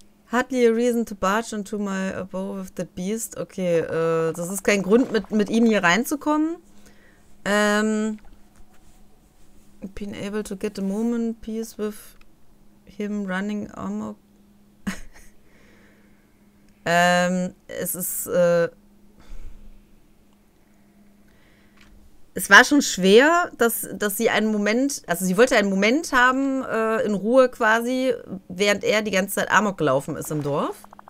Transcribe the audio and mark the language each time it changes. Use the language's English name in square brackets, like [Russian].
[English] Hardly a reason to barge into my abode with the beast. [German] Okay, das ist kein Grund, mit ihm hier reinzukommen. [English] Been able to get a moment peace with him running amok. [German] es ist, es war schon schwer, dass sie einen Moment, also sie wollte einen Moment haben, in Ruhe quasi, während er die ganze Zeit Amok gelaufen ist im Dorf.